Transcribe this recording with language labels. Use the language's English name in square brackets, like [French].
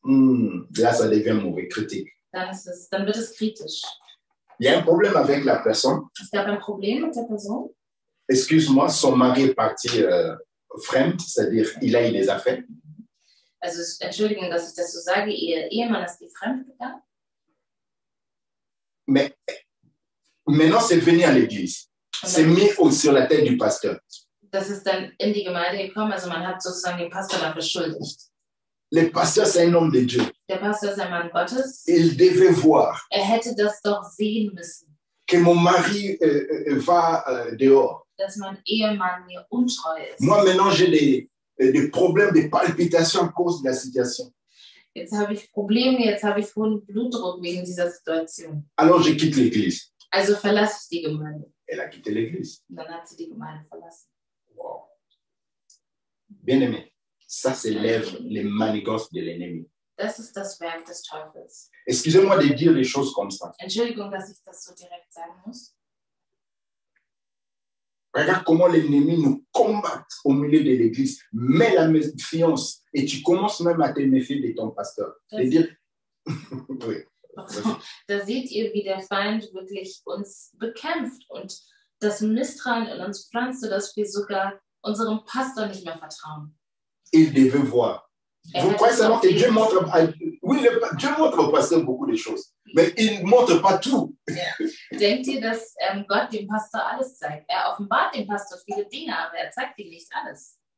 [French] là ça devient mauvais, critique. [German] Dann wird es kritisch. [French] Il y a un problème avec la personne. [German] Es gab ein Problem mit der Person. [French] Excuse-moi, son mari est parti fremd, c'est-à-dire il a eu des affaires. [German] Also, entschuldigen, dass ich das so sage, ihr Ehemann ist fremd gegangen. [French] Mais maintenant, c'est venu à l'église. C'est mis sur la tête du pasteur. [German] Das ist dann in die Gemeinde gekommen, also man hat sozusagen den Pastor dann beschuldigt. [French] Le pasteur, c'est un homme de Dieu. [German] Der Pastor ist ein Mann Gottes. [French] Il devait voir. [German] Er hätte das doch sehen müssen. [French] Que mon mari va dehors. [German] Dass mein Ehemann mir untreu ist. [French] Moi maintenant j'ai des problèmes de palpitations à cause de la situation. [German] Jetzt habe ich Probleme, jetzt habe ich hohen Blutdruck wegen dieser Situation. [French] Alors je quitte l'église. [German] Also verlasse ich die Gemeinde. [French] Elle a quitté l'église. [German] Und dann hat sie die Gemeinde verlassen. Wow. [French] Bien-aimé, ça c'est l'œuvre, les manigances de l'ennemi. [German] Das ist das Werk des Teufels. [French] Excusez-moi de dire les choses comme ça. [German] Entschuldigung, dass ich das so direkt sagen muss. [French] Regarde comment l'ennemi nous combat au milieu de l'église, met la méfiance et tu commences même à te méfier de ton pasteur. Das dire... oui. [German] Da seht ihr, wie der Feind wirklich uns bekämpft und das Misstrauen in uns pflanzt, sodass wir sogar unserem Pastor nicht mehr vertrauen. [French] Il devait voir. Vous croyez seulement que Dieu montre, oui, Dieu montre au pasteur beaucoup de choses, mais il ne montre pas tout. Yeah. [German] Denkt ihr, dass Gott dem Pastor alles zeigt? Er offenbart dem Pastor viele Dinge, aber er zeigt ihm nicht alles.